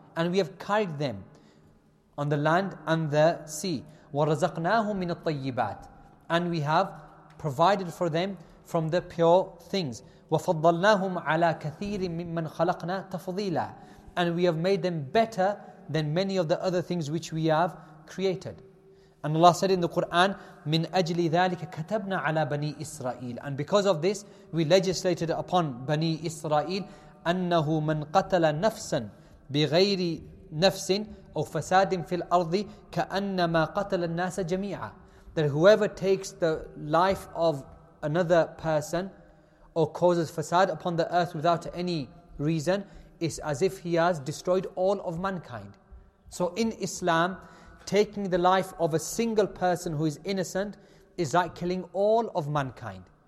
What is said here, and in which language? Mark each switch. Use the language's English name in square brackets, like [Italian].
[English] And we have carried them on the land and the sea. [Arabic] وَرَزَقْنَاهُمْ مِنَ الطَّيِّبَاتِ. [English] And we have provided for them from the pure things. [Arabic] وَفَضَّلْنَاهُمْ عَلَىٰ كَثِيرٍ مِّمَّنْ خَلَقْنَا تَفْضِيلًا. [English] And we have made them better than many of the other things which we have created. And Allah said in the Quran, [Arabic] مِنْ أَجْلِ ذَٰلِكَ كَتَبْنَا عَلَىٰ بَنِي إِسْرَائِيلِ. [English] And because of this, we legislated upon Bani Israel, [Arabic] أَنَّهُ مَنْ قَتَلَ نَفْسًا بِغَيْرِ نَفْسٍ أَوْ فَسَادٍ فِي الْأَرْضِ كَأَنَّمَا قَتَلَ النَّاسَ جَمِيعًا. [English] That whoever takes the life of another person or causes fasad upon the earth without any reason, is as if he has destroyed all of mankind. So in Islam, taking the life of a single person who is innocent is like killing all of mankind.